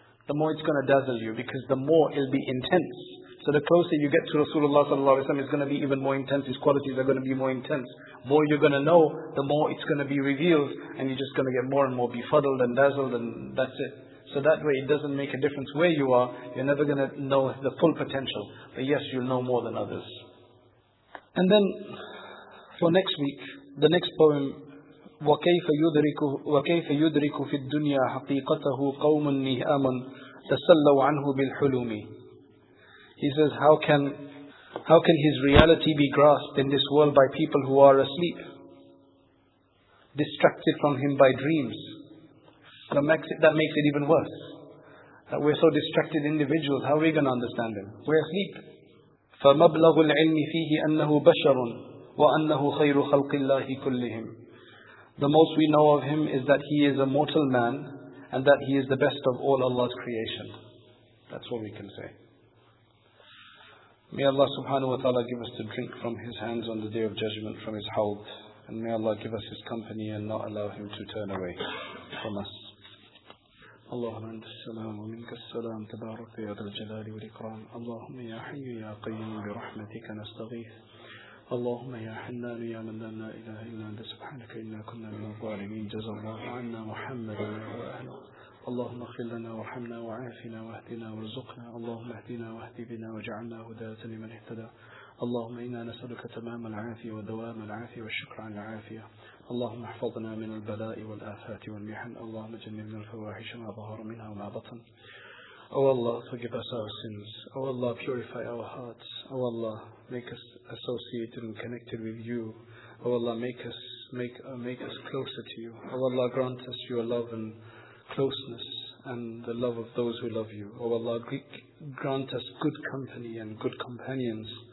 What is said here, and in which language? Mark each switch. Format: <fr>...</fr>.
<en>The more it's going to dazzle you, because the more it'll be intense. So the closer you get to Rasulullah sallallahu alaihi wasallam, it's going to be even more intense. His qualities are going to be more intense. More you're going to know, the more it's going to be revealed, and you're just going to get more and more befuddled and dazzled, and that's it. So that way it doesn't make a difference where you are. You're never going to know the full potential. But yes, you'll know more than others. And then for next week, the next poem,</en> <ar>وَكَيْفَ يُدْرِكُ فِي الدُّنْيَا حَقِيقَتَهُ قَوْمٌ نِهَامٌ تَسَلَّوْ عَنْهُ بِالْحُلُومِ.</ar> <en>He says, how can his reality be grasped in this world by people who are asleep, distracted from him by dreams? That makes it even worse. That we're so distracted individuals, how are we going to understand him? We're asleep.</en> <ar>فَمَبْلَغُ الْعِلْمِ فِيهِ أَنَّهُ بَشَرٌ وَأَنَّهُ خَيْرُ خَلْقِ اللَّهِ كُلِّهِمْ.</ar> <en>The most we know of him is that he is a mortal man and that he is the best of all Allah's creation. That's what we can say. May Allah subhanahu wa ta'ala give us to drink from his hands on the day of judgment, from his hawd. And may Allah give us his company and not allow him to turn away from us.</en> <ar>اللهم انت السلام ومنك السلام تبارك يا ذا الجلال والاكرام اللهم يا حي يا قيوم برحمتك نستغيث اللهم يا حنان يا من لا اله الا انت سبحانك انا كنا من الظالمين جزا الله عنا محمدا واهله اللهم اغفر لنا وارحمنا وعافنا واهدنا وارزقنا اللهم اهدنا واهد بنا واجعلنا هداة لمن اهتدى اللهم انا نسالك تمام العافيه ودوام العافيه والشكر على العافيه اللهم احفظنا من البلاء والآفات والمحن اللهم جنبنا الفواحش ما ظهر منها وما بطن</ar> <en>Oh Allah, forgive us our sins. Oh Allah, purify our hearts. Oh Allah, make us associated and connected with you. Oh Allah, make us make us closer to you. O Allah, grant us your love and closeness and the love of those who love you. O Allah, grant us good company and good companions.</en>